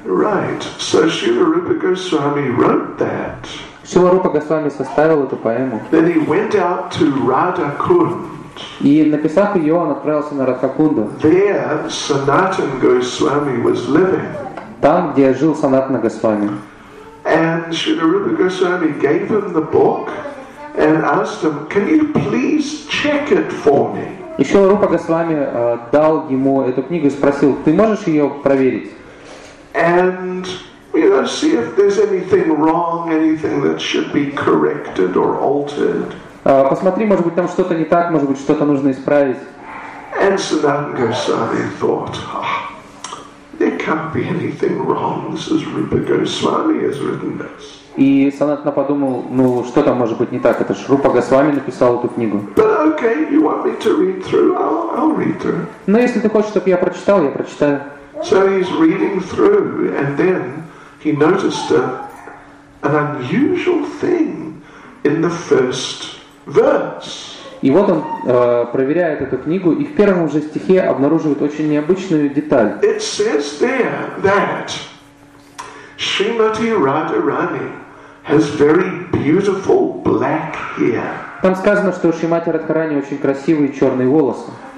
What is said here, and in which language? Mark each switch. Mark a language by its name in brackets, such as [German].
[English] Right. So Srila Rupa Goswami wrote that. [Russian] Srila Rupa Goswami составил эту поэму. [English] Then he went out to Radhakund. [Russian] И написав ее, он отправился на Радхакунду. [English] There Sanatan Goswami was living. [Russian] Там, где жил Санатана Госвами. [English] And Srila Rupa Goswami gave him the book. And asked him, "Can you please check it for me?" [Russian] Ещё Рупа Госвами дал ему эту книгу и спросил: "Ты можешь её проверить?" [English] And you know, see if there's anything wrong, anything that should be corrected or altered. [Russian] Посмотри, может быть, там что-то не так, может быть, что-то нужно исправить. [English] And Siddhartha Goswami thought, "Oh, there can't be anything wrong. This is Rupa Goswami has written this." [Russian] И Санатана подумал, ну что там может быть не так, это ж Рупа Госвами написал эту книгу. [English] But okay, you want me to read through, I'll read through. [Russian] Но если ты хочешь, чтобы я прочитал, я прочитаю. [English] So he's reading through, and then he noticed an unusual thing in the first verse. [Russian] И вот он проверяет эту книгу, и в первом же стихе обнаруживает очень необычную деталь. [English] It says there that Srimati Radharani has very beautiful black hair. [Russian] Там сказано, что у Шримати Радхарани очень красивые черные волосы.